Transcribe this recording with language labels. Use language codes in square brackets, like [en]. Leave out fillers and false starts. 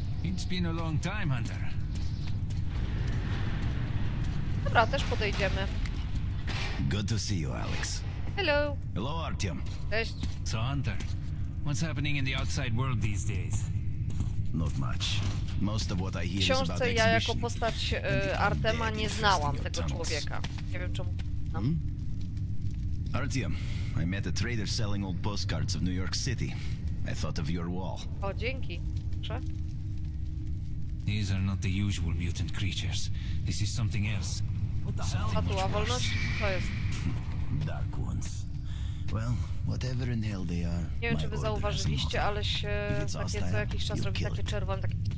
[en] It's been a long time, Hunter. [pl] Dobra, też podejdziemy. [en] Good to see you, Alex. Hello. Hello, Artyom. [pl] Cześć. [en] So, Hunter, what's happening in the outside world these days? Not much. Most of what I hear is about exhibition. [pl] Książce ja jako postać Artema nie znałam tego człowieka. Nie wiem czemu. [en] Artyom, I met a trader selling old postcards of New York City. I thought of your wall. [pl] O, dzięki. Proszę. [en] These are not the usual mutant creatures. This is something else. What the hell? [pl] To jest. [en] Dark ones. Well, whatever in hell they are. [pl] Nie wiem, czy wy zauważyliście, ale się takie co jakiś czas robi takie czerwone, takie.